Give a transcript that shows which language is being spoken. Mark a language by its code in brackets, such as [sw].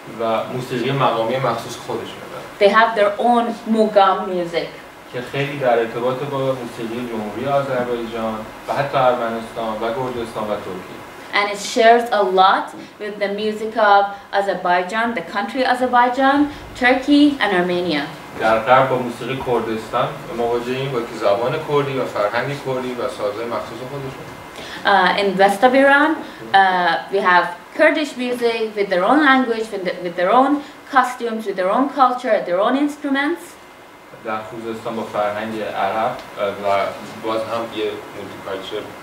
[fa] و موسیقی مقامی مخصوص خودشون دارن. [en] They have their own mugam music. [fa] که خیلی در ارتباط با موسیقی جمهوری آذربایجان و حتی ارمنستان و گرجستان و ترکیه. [en] And it shares a lot with the music of Azerbaijan, the country Azerbaijan, Turkey and Armenia. [fa] در غرب با موسیقی کردستان مواجهیم با که زبان کردی و فرهنگ کردی و سازهای مخصوص خودشون. [en] In west of Iran, we have Kurdish music with their own language, with their own costumes, with their own culture, their own instruments. [fa] در خوزستان با فرهنگ عرب و باز هم یه [en] multi culture